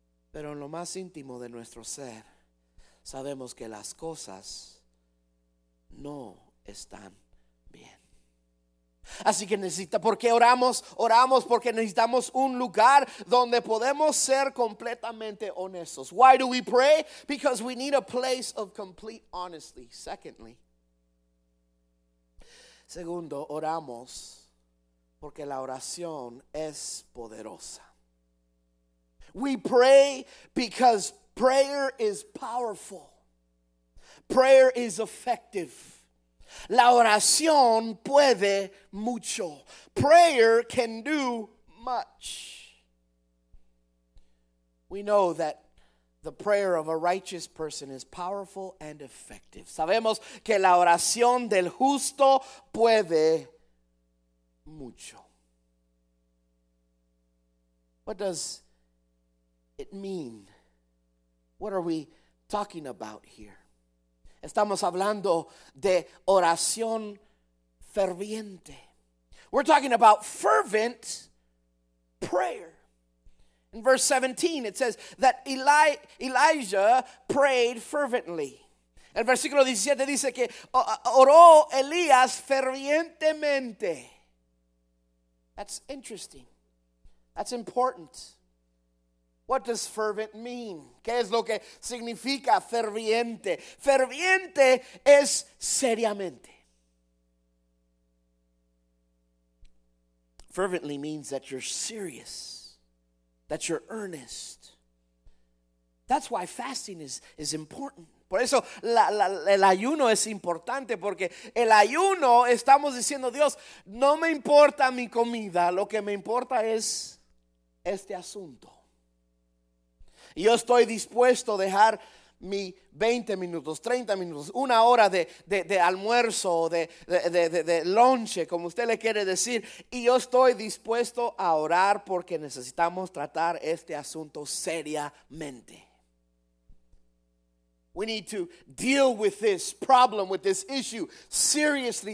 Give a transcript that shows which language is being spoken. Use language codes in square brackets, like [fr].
[es] Pero en lo más íntimo de nuestro ser, sabemos que las cosas no están bien. Así que ¿por qué oramos? Oramos porque necesitamos un lugar donde podemos ser completamente honestos. [en] Why do we pray? Because we need a place of complete honesty. Secondly. [es] Segundo, oramos porque la oración es poderosa. [en] We pray because prayer is powerful. Prayer is effective. [es] La oración puede mucho. [en] Prayer can do much. We know that the prayer of a righteous person is powerful and effective. [es] Sabemos que la oración del justo puede mucho. [en] What does it mean? What are we talking about here? [es] Estamos hablando de oración ferviente. [en] We're talking about fervent prayer. In verse 17, it says that Elijah prayed fervently. [es] El versículo 17 dice que oró Elías fervientemente. [en] That's interesting. That's important. What does fervent mean? [es] ¿Qué es lo que significa ferviente? Ferviente es seriamente. [en] Fervently means that you're serious, that you're earnest. That's why fasting is important. [es] Por eso el ayuno es importante, porque el ayuno estamos diciendo, Dios, no me importa mi comida, lo que me importa es este asunto. Y yo estoy dispuesto a dejar mi 20 minutos, 30 minutos, una hora de almuerzo, de lunch, como usted le quiere decir, y yo estoy dispuesto a orar porque necesitamos tratar este asunto seriamente. [en] We need to deal with this problem, with this issue, seriously.